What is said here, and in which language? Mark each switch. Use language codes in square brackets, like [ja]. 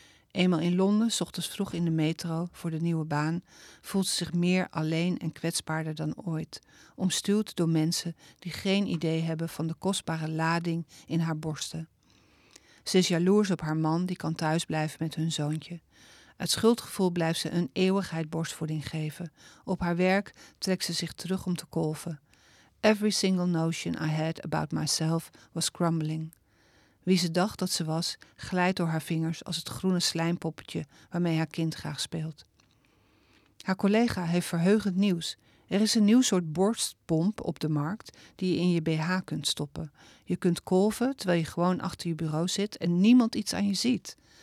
[nl] Eenmaal in Londen, 's ochtends vroeg in de metro voor de nieuwe baan, voelt ze zich meer alleen en kwetsbaarder dan ooit, omstuwd door mensen die geen idee hebben van de kostbare lading in haar borsten. Ze is jaloers op haar man die kan thuisblijven met hun zoontje. Uit schuldgevoel blijft ze een eeuwigheid borstvoeding geven. Op haar werk trekt ze zich terug om te kolven. [en] Every single notion I had about myself was crumbling. [nl] Wie ze dacht dat ze was, glijdt door haar vingers als het groene slijmpoppetje waarmee haar kind graag speelt. Haar collega heeft verheugend nieuws. Er is een nieuw soort borstpomp op de markt die je in je BH kunt stoppen. Je kunt kolven terwijl je gewoon achter je bureau zit en niemand iets aan je ziet.